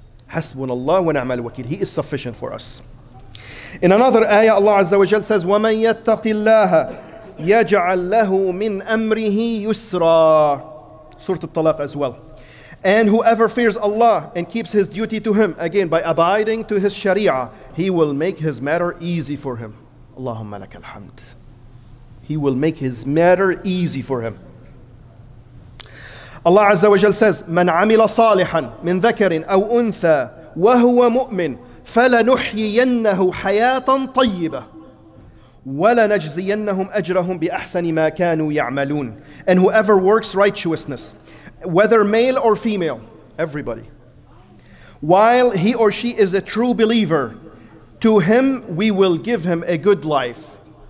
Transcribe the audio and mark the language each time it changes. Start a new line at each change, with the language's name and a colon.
English: Hasbunallah wa ni'mal wakeel. He is sufficient for us. In another ayah, Allah Azza wa Jal says,
Arabic: وَمَنْ يَتَّقِ اللَّهَ يَجْعَلْ لَهُ مِنْ أَمْرِهِ يُسْرًا.
English: Surah At-Talaq as well. And whoever fears Allah and keeps his duty to Him, again, by abiding to His Sharia, He will make his matter easy for him. Allahumma laka alhamd. He will make his matter easy for him. Allah Azza wa Jal says,
Arabic: مَنْ عَمِلَ صَالِحًا مِنْ ذَكَرٍ أَوْ أُنْثَى وَهُوَ مُؤْمِنٍ فَلَنُحْيِيَنَّهُ حَيَاةً طَيِّبَةً وَلَنَجْزِيَنَّهُمْ أَجْرَهُمْ بِأَحْسَنِ مَا كَانُوا يَعْمَلُونَ
English: And whoever works righteousness, whether male or female, everybody, while he or she is a true believer, to him we will give him a good life.